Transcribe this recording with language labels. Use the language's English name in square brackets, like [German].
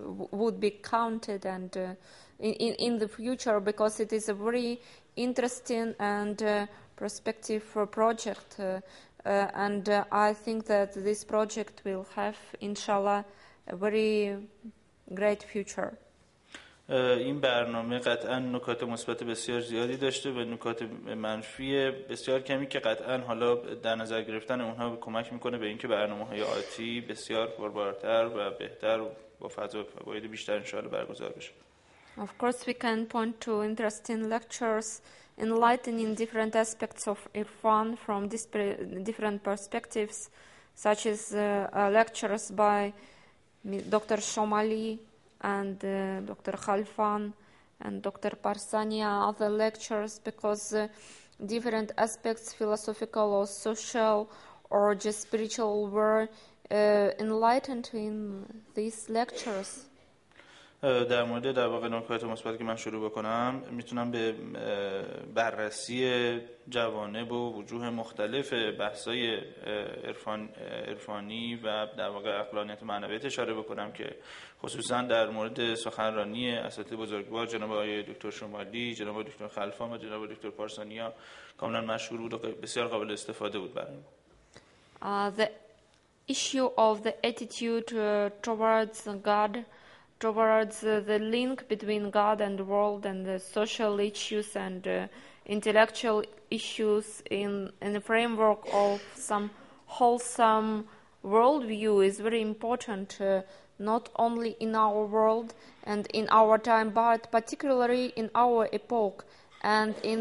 [English] would be counted and in the future, because it is a very interesting and prospective project, and I think that this project will have, inshallah, a very great future. [Persian] این برنامه قطعا نکات مثبت بسیار زیادی داشته و نکات منفی بسیار کمی که قطعا حالا در نظر گرفتن اونها کمک میکنه به اینکه برنامه‌های آتی بسیار پربارتر و بهتر با فواید بیشتر انشاءالله برگزار بشه. [English] Of course we can point to interesting lectures enlightening different aspects of Irfan from different perspectives, such as lectures by Dr. Shomali and Dr. Khalfan and Dr. Parsania, other lectures, because different aspects, philosophical or social or just spiritual, were enlightened in these lectures. [Persian] در مورد در واقع نکات مثبت که من شروع بکنم، میتونم به بررسی جوانب و وجوه مختلف بحثای عرفانی و در واقع عقلانیت و معنویت اشاره بکنم که خصوصا در مورد سخنرانی اساتید بزرگوار جناب آقای دکتر شمالی، جناب دکتر خلفان و جناب دکتر پارسانیا کاملا مشهور بود و بسیار قابل استفاده بود برای ما. [English] The issue of the attitude towards God, towards the link between God and the world, and the social issues and intellectual issues in the framework of some wholesome worldview is very important, not only in our world and in our time, but particularly in our epoch, and